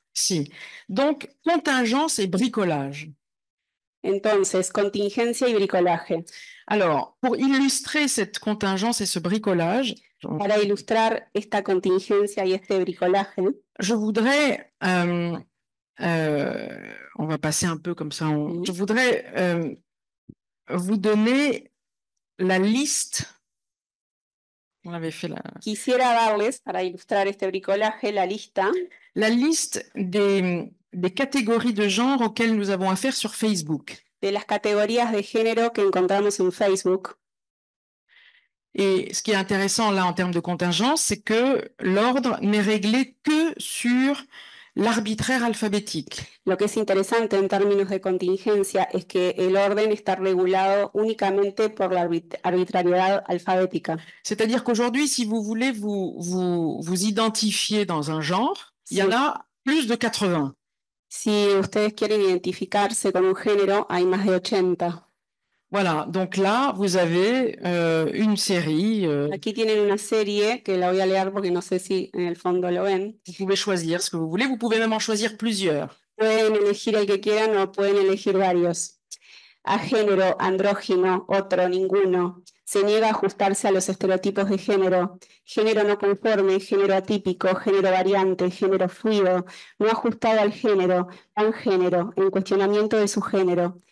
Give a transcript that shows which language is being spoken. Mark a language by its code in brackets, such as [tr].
[fr] Sí. Donc, contingence et bricolage. [es] Entonces, contingencia y bricolaje. [fr] Alors, pour illustrer cette contingence et ce bricolage, [es] para ilustrar esta contingencia y este bricolaje, [fr] je voudrais, on va passer un peu comme ça, je voudrais vous donner la liste. On avait fait la... [es] Quisiera darles, para ilustrar este bricolaje, la lista. [fr] La liste des catégories de genre auxquelles nous avons affaire sur Facebook. [es] De las categorías de género que encontramos en Facebook. [fr] Et ce qui est intéressant là en termes de contingence, c'est que l'ordre n'est réglé que sur l'arbitraire alphabétique. [es] Lo que es interesante en términos de contingencia es que el orden está regulado únicamente por la arbitrariedad alfabética. [fr] C'est-à-dire qu'aujourd'hui, si vous voulez vous identifier dans un genre, il y en a plus de 80. [es] Si ustedes quieren identificarse con un género, hay más de 80. [fr] Voilà, donc là, vous avez une série. [es] Aquí tienen una serie que la voy a leer porque no sé si en el fondo lo ven. [fr] Vous pouvez choisir ce que vous voulez, vous pouvez même en choisir plusieurs. [es] Pueden elegir el que quieran o pueden elegir varios. A género, andrógino, otro, ninguno. Se niega a ajustarse a los estereotipos de género. Género no conforme, género atípico, género variante, género fluido. No ajustado al género, pan género, en cuestionamiento de su género.